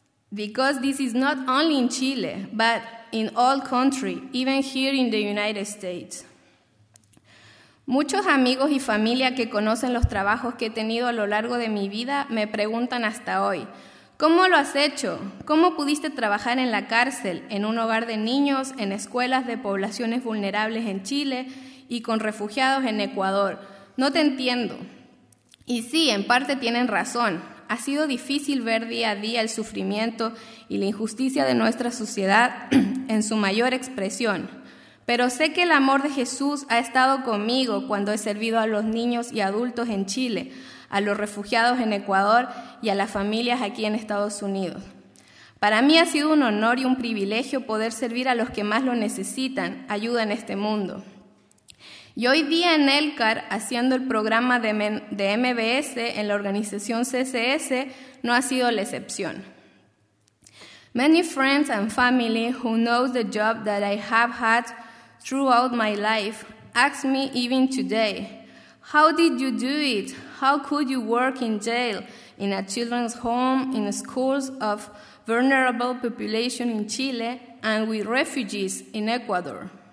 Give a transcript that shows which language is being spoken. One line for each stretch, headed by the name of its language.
English: Because this is not only in Chile, but in all countries, even here in the United States.
Spanish: Muchos amigos y familia que conocen los trabajos que he tenido a lo largo de mi vida me preguntan hasta hoy, ¿cómo lo has hecho? ¿Cómo pudiste trabajar en la cárcel, en un hogar de niños, en escuelas de poblaciones vulnerables en Chile y con refugiados en Ecuador? No te entiendo. Y sí, en parte tienen razón. Ha sido difícil ver día a día el sufrimiento y la injusticia de nuestra sociedad en su mayor expresión. Pero sé que el amor de Jesús ha estado conmigo cuando he servido a los niños y adultos en Chile, a los refugiados en Ecuador y a las familias aquí en Estados Unidos. Para mí ha sido un honor y un privilegio poder servir a los que más lo necesitan, ayuda en este mundo. Y hoy día en Elkar, haciendo el programa de MBS en la organización CCS, no ha sido la excepción.
English: Many friends and family who know the job that I have had throughout my life ask me even today, how did you do it? How could you work in jail, in a children's home, in schools of vulnerable population in Chile, and with refugees in Ecuador?